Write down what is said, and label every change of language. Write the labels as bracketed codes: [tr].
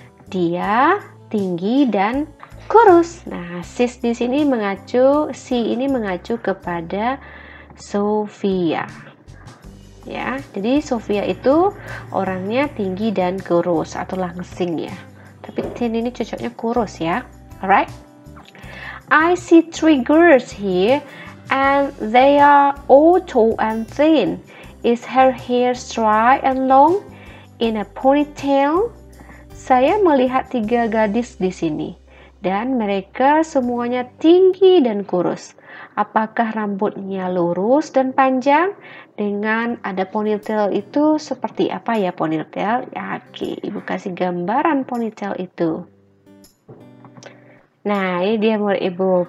[id] Dia tinggi dan kurus. Nah, sis di sini mengacu, si ini mengacu kepada Sophia. Ya, jadi Sophia itu orangnya tinggi dan kurus atau langsing ya. Tapi thin ini cocoknya kurus ya. [en] Alright. I see three girls here and they are all tall and thin. Is her hair straight and long in a ponytail? [id] Saya melihat tiga gadis di sini. Dan mereka semuanya tinggi dan kurus. Apakah rambutnya lurus dan panjang? Dengan ada ponytail itu seperti apa ya ponytail? Ya, oke, ibu kasih gambaran ponytail itu. Nah, ini dia Murid Ibu.